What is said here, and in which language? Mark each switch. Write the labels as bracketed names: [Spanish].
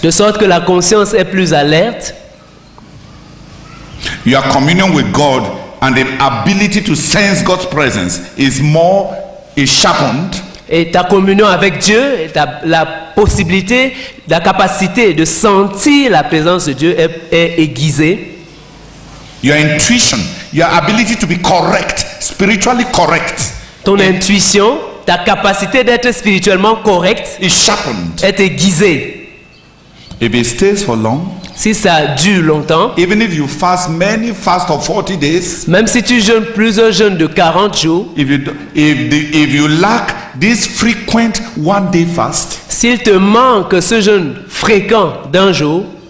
[French] De sorte que la conscience est plus alerte. [English] Your communion with God and the ability to sense God's presence is sharpened. [French] Et ta communion avec Dieu, la possibilité, la capacité de sentir la présence de Dieu est aiguisée. [English] Your intuition, your ability to be correct, spiritually correct. [French] Ton intuition, ta capacité d'être spirituellement correct, [English] is sharpened, [French] est aiguisée. [English] If it stays for long, [French] si ça dure longtemps, [English] even if you fast many fast of 40 days, [French] même si tu jeûnes plusieurs jeûnes de 40 jours, [English] if you lack this frequent one day fast, [French] s'il te manque ce jeûne fréquent d'un jour,